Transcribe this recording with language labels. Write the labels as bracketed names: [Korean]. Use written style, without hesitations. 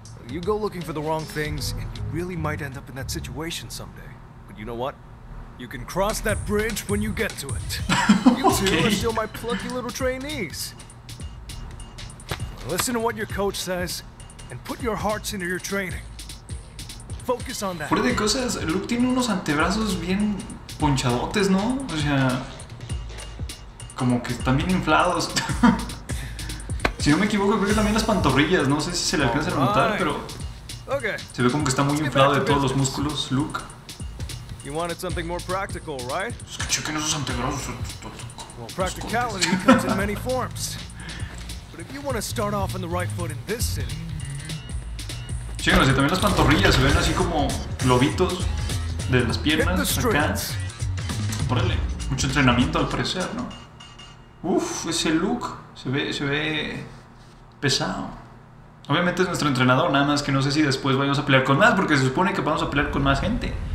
[English] You go looking for the wrong things, and you really might end up in that situation someday. But you know what? You can cross that bridge when you get to it. You two are still my plucky little trainees. Listen to what your coach says, and put your hearts into your training. Focus on that. [Spanish] Fuera de cosas, Luke tiene unos antebrazos bien ponchadotes, ¿no? O sea, como que están bien inflados. Si no me equivoco, creo que también las pantorrillas, no sé si se le alcanza a notar, pero se ve como que está muy inflado de todos los músculos, Luke. [English] You wanted something more practical, right? [Spanish] Es que chequen esos antebrazos. [English] Well, practicality comes in many forms. But if you want to start off on the right foot in this city... [Spanish] Sí, bueno, si también las pantorrillas se ven así como globitos de las piernas, acá. Órale, mucho entrenamiento al parecer, ¿no? Uf, ese look se ve pesado. Obviamente es nuestro entrenador, nada más que no sé si después vayamos a pelear con más, porque se supone que vamos a pelear con más gente.